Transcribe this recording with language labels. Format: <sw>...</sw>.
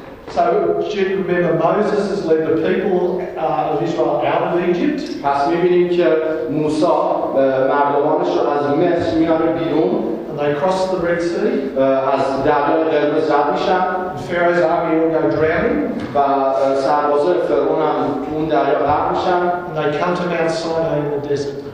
<en>So, remember, Moses has led the people of Israel out of Egypt.</en> <fa>پس می‌بینیم که موسی مردمانش را از مصر می‌آورد بیرون.</fa> <en>And they cross the Red Sea.</en> <fa>از دریای قرمز رد می‌شن.</fa> <en>Pharaoh's army all go drowning.</en> <fa>و سربازای فرعون هم اون دریا غرق می‌شن.</fa> <en>And they come to Mount Sinai in the desert.</en>